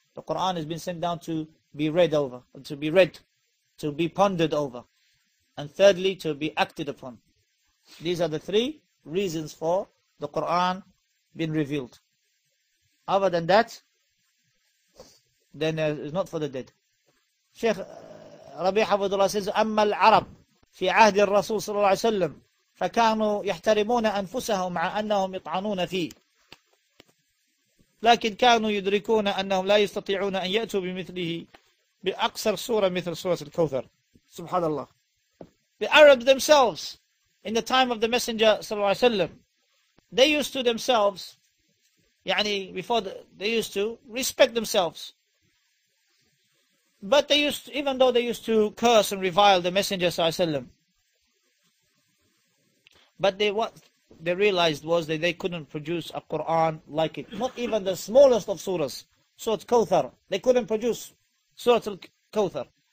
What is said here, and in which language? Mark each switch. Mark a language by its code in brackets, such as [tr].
[en] The Quran has been sent down to be read over, to be read, to be pondered over. And thirdly, to be acted upon. These are the three reasons for the Quran being revealed. Other than that, then it's not for the dead. Sheikh Rabi Hafidullah says, [ar] أَمَّا الْعَرَبْ فِي عَهْدِ الرَّسُولِ صَلَّى اللَّهِ عَلَيْهِ وَسَلَّمْ فكانوا يحترمون أنفسهم مع أنهم يطعنون فيه لكن كانوا يدركون أنهم لا يستطيعون أن يأتوا بمثله بأقصر سورة مثل سورة الكوثر. سبحان الله. [en] The Arabs themselves, in the time of the Messenger [ar] صلى الله عليه وسلم, [en] they used to themselves, يعني before they used to respect themselves, but they used to, even though they used to curse and revile the Messenger صلى الله عليه وسلم, but what they realized was that they couldn't produce a Quran like it. Not even the smallest of surahs, Surah Kauthar. They couldn't produce Surah Kawthar.